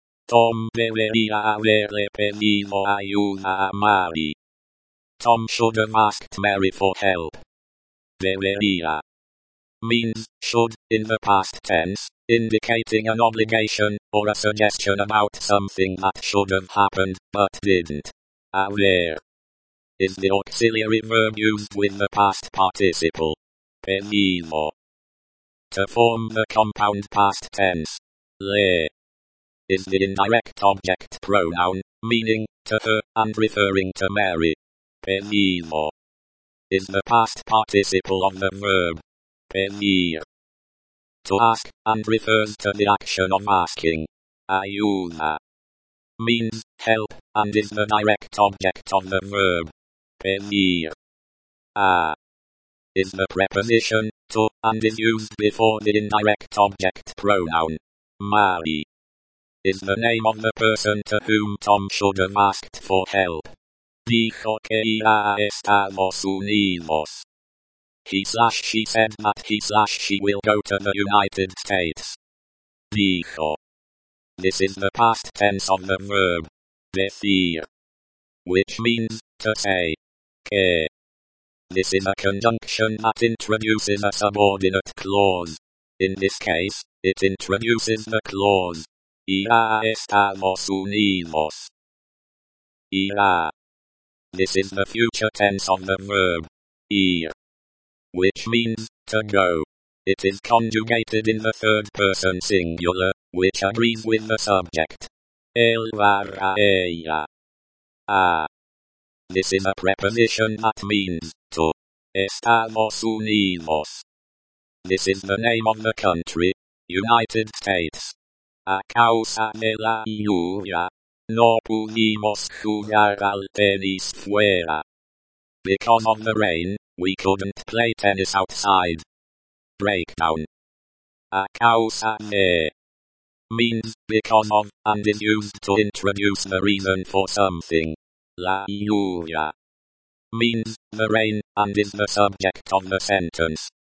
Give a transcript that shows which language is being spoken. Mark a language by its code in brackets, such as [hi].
[es] Tom debería haberle pedido ayuda a Mary. [en] Tom should have asked Mary for help. Debería means should in the past tense, indicating an obligation or a suggestion about something that should have happened but didn't. Haber is the auxiliary verb used with the past participle pedido to form the compound past tense. Le is the indirect object pronoun, meaning to her and referring to Mary. Pedido is the past participle of the verb pedir to ask, and refers to the action of asking. Ayuda means help, and is the direct object of the verb pedir. A is the preposition to, and is used before the indirect object pronoun. Mari is the name of the person to whom Tom should have asked for help. [es] Dijo que irá a Estados Unidos. [en] He/she said that he/she will go to the United States. Dijo. This is the past tense of the verb decir, which means to say. Que. This is a conjunction that introduces a subordinate clause. In this case, it introduces the clause [es] irá a Estados Unidos. [en] Irá. This is the future tense of the verb ir, which means to go. It is conjugated in the third person singular, which agrees with the subject. [es] El vara ella. [en] Ah. This is a preposition that means to. Estados Unidos. This is the name of the country, United States. [es] A causa de la lluvia, no pudimos jugar al tenis fuera. [en] Because of the rain, we couldn't play tennis outside. Breakdown. [es] A causa de [en] means because of and is used to introduce the reason for something. [es] La lluvia [en] means the rain and is the subject of the sentence.